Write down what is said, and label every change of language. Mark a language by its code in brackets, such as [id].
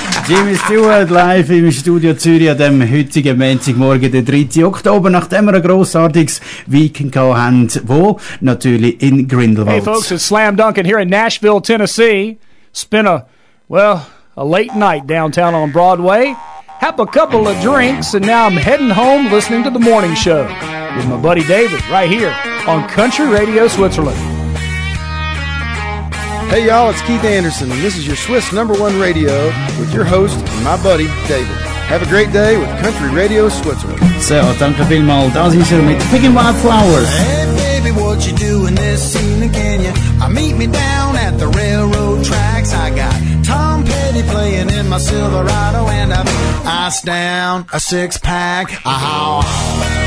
[de] Jimmy Stewart live im Studio Zürich an dem heutigen Montagmorgen, den 3. Oktober, nachdem wir ein grossartiges Weekend haben, wo natürlich in Grindelwald. [en] Hey folks, it's Slam Dunkin' here in Nashville, Tennessee. It's been a late night downtown on Broadway. Have a couple of drinks and now I'm heading home listening to the morning show with my buddy David right here on Country Radio Switzerland. Hey y'all, it's Keith Anderson, and this is your Swiss number one radio with your host and my buddy, David. Have a great day with Country Radio Switzerland. [de] So, danke vielmal, das ist er mit Picking Wildflowers. [en] Hey baby, what you doing this scene again? You meet me down at the railroad tracks. I got Tom Petty playing in my Silverado, and I'm ice down a six-pack. Ow.